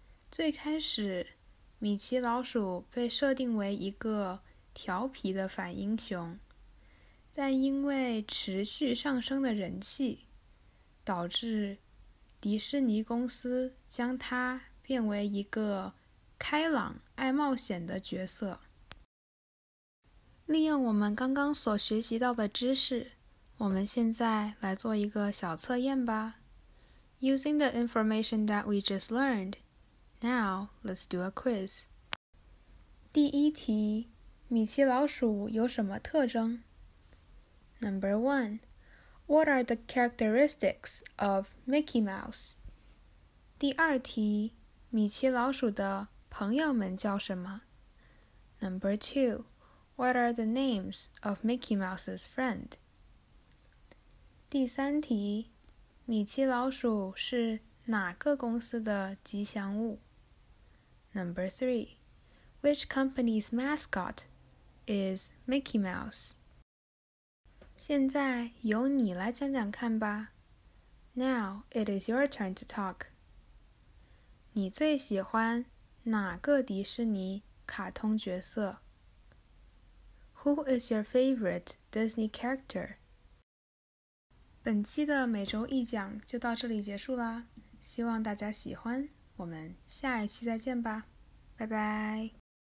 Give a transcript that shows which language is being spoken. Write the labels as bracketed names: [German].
[Chinese] 最开始，米奇老鼠被设定为一个调皮的反英雄，但因为持续上升的人气，导致迪士尼公司将它变为一个开朗爱冒险的角色。利用我们刚刚所学习到的知识，我们现在来做一个小测验吧。 [English] Using the information that we just learned, now let's do a quiz. [Chinese] 第一题，米奇老鼠有什么特征？ [English] Number 1. What are the characteristics of Mickey Mouse? [Chinese] 第二题，米奇老鼠的朋友们叫什么？ [English] Number 2. What are the names of Mickey Mouse's friend? [Chinese] 第三题，米奇老鼠是哪个公司的吉祥物？ [English] Number 3. Which company's mascot is Mickey Mouse? [Chinese] 现在由你来讲讲看吧。 [English] Now it is your turn to talk. [Chinese] 你最喜欢哪个迪士尼卡通角色？ [English] Who is your favorite Disney character? [Chinese] 本期的每周一讲就到这里结束啦，希望大家喜欢，我们下一期再见吧，拜拜。